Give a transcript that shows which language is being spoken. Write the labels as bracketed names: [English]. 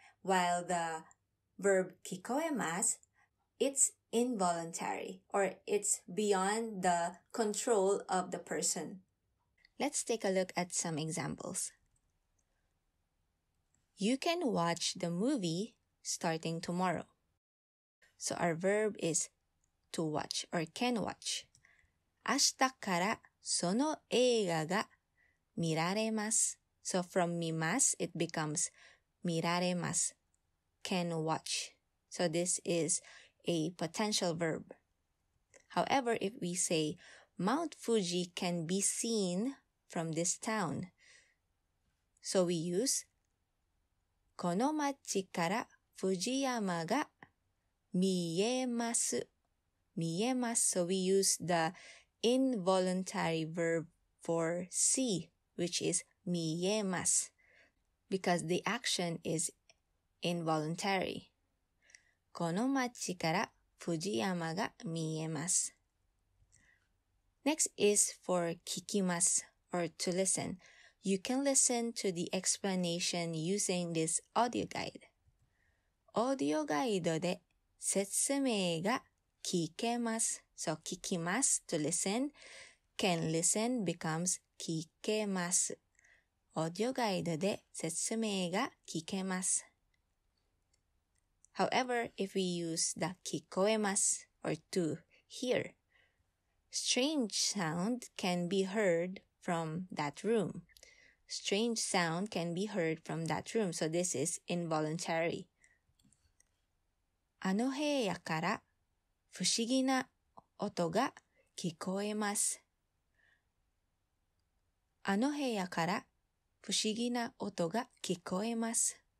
[English] While the verb 聞こえます, it's involuntary or it's beyond the control of the person. Let's take a look at some examples. You can watch the movie starting tomorrow. So our verb is to watch or can watch. [Japanese] 明日からその映画が見られます。 [English] So from 見ます, it becomes [Japanese] 見られます。 [English] Can watch. So this is a potential verb. However, if we say Mount Fuji can be seen from this town, so we use [Japanese] この町から富士山が見えます。 [English] So we use the involuntary verb for see, which is 見えます, because the action is involuntary. [Japanese] この町から富士山が見えます。 [English] Next is for 聞きます, or to listen. You can listen to the explanation using this audio guide. [Japanese] オーディオガイドで説明が聞けます。 [English] So 聞きます, to listen. Can listen becomes 聞けます。 [Japanese] オーディオガイドで説明が聞けます。 [English] However, if we use the 聞こえます or to hear, strange sound can be heard from that room. Strange sound can be heard from that room. So this is involuntary. [Japanese] あの部屋から不思議な音が聞こえます。あの部屋から不思議な音が聞こえます。